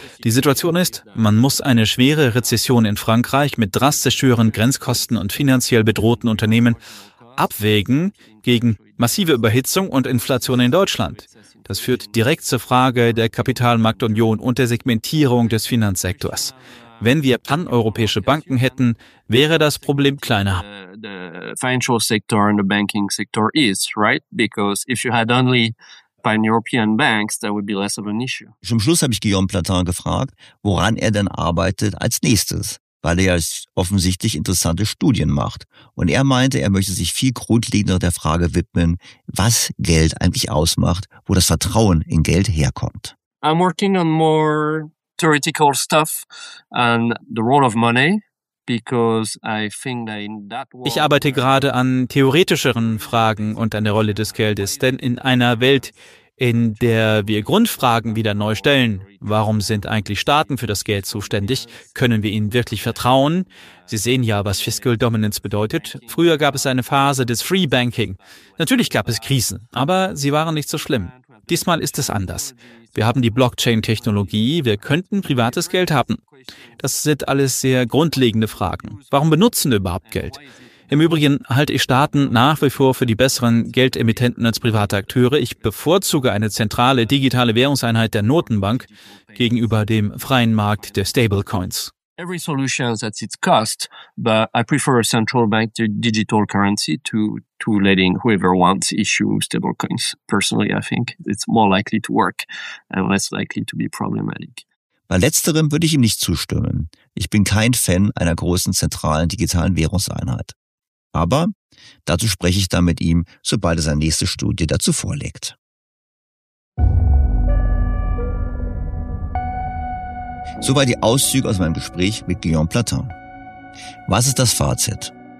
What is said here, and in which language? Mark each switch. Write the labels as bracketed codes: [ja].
[de] Die Situation ist, man muss eine schwere Rezession in Frankreich mit drastisch höheren Grenzkosten und finanziell bedrohten Unternehmen abwägen gegen massive Überhitzung und Inflation in Deutschland. Das führt direkt zur Frage der Kapitalmarktunion und der Segmentierung des Finanzsektors. Wenn wir paneuropäische Banken hätten, wäre das Problem kleiner. [en] The financial sector and the banking sector is, right? Because if you had only pan-European banks, that would be less of an issue. [de] Zum Schluss habe ich Guillaume Platin gefragt, woran er denn arbeitet als nächstes, weil er ja offensichtlich interessante Studien macht. Und er meinte, er möchte sich viel grundlegender der Frage widmen, was Geld eigentlich ausmacht, wo das Vertrauen in Geld herkommt. [en] I'm working on more theoretical stuff and the role of money. [de] Ich arbeite gerade an theoretischeren Fragen und an der Rolle des Geldes, denn in einer Welt, in der wir Grundfragen wieder neu stellen, warum sind eigentlich Staaten für das Geld zuständig, können wir ihnen wirklich vertrauen? Sie sehen ja, was Fiscal Dominance bedeutet. Früher gab es eine Phase des Free Banking. Natürlich gab es Krisen, aber sie waren nicht so schlimm. Diesmal ist es anders. Wir haben die Blockchain-Technologie, wir könnten privates Geld haben. Das sind alles sehr grundlegende Fragen. Warum benutzen wir überhaupt Geld? Im Übrigen halte ich Staaten nach wie vor für die besseren Geldemittenten als private Akteure. Ich bevorzuge eine zentrale digitale Währungseinheit der Notenbank gegenüber dem freien Markt der Stablecoins. [en] Every solution has its cost, but I prefer a central bank digital currency to letting whoever wants issue stablecoins. Personally, I think it's more likely to work and less likely to be problematic. [de] Bei letzterem würde ich ihm nicht zustimmen. Ich bin kein Fan einer großen zentralen digitalen Währungseinheit. Aber dazu spreche ich dann mit ihm, sobald er seine nächste Studie dazu vorlegt. Soweit die Auszüge aus meinem Gespräch mit Guillaume Platin. Was ist das Fazit?